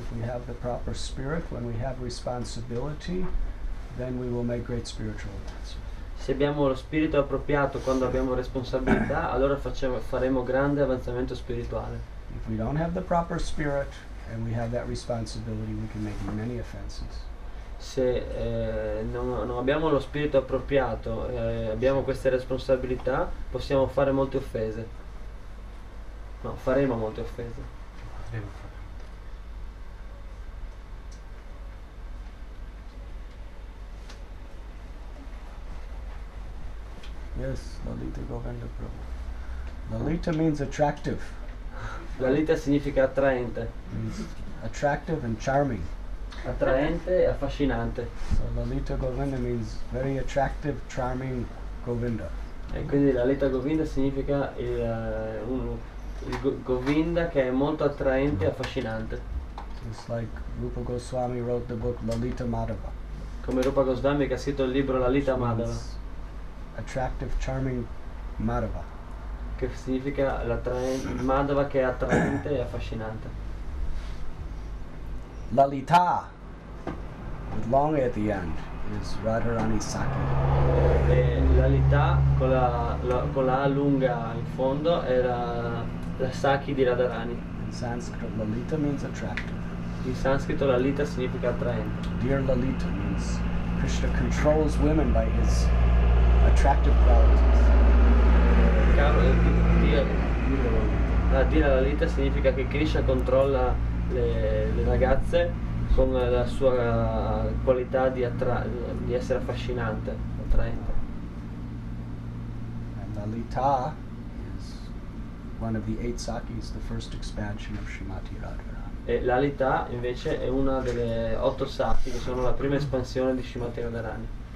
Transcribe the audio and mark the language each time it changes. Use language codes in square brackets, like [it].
[en] If we have the proper spirit, when we have responsibility, then we will make great spiritual advance. [it] Se abbiamo lo spirito appropriato quando abbiamo responsabilità, allora faremo grande avanzamento spirituale. [en] If we don't have the proper spirit and we have that responsibility, we can make many offenses. [it] Se non abbiamo lo spirito appropriato e abbiamo queste responsabilità, possiamo fare molte offese. No, faremo molte offese. [en] Yes, Lalita Govinda Prabhu. Lalita means attractive. [it] Lalita significa attraente. [en] Attractive and charming. [it] Attraente e affascinante. [en] So Lalita Govinda means very attractive, charming Govinda. [it] E quindi Lalita Govinda significa il Govinda che è molto attraente e affascinante. [en] It's like Rupa Goswami wrote the book Lalita Madhava. [it] Come Rupa Goswami che ha scritto il libro Lalita Madhava. [en] Attractive, charming Madhava. [it] Che significa l'attraente Madhava che è attraente e affascinante. [en] Lalita, with long at the end, is Radharani Sakhi. [it] Lalita con la A lunga in fondo era la Sakhi di Radharani. [en] In Sanskrit, Lalita means attractive. [it] In sanscrito Lalita significa attraente. [en] Dear Lalita means Krishna controls women by his attractive qualities. [it] Dear Lalita significa che Krishna controlla le ragazze con la sua qualità di essere affascinante, attraente. [en] And Lalita is one of the eight Sakis, the first expansion of Srimati Radharani. [it] E Lalita invece è una delle otto Sakhi che sono la prima espansione di Srimati Radharani.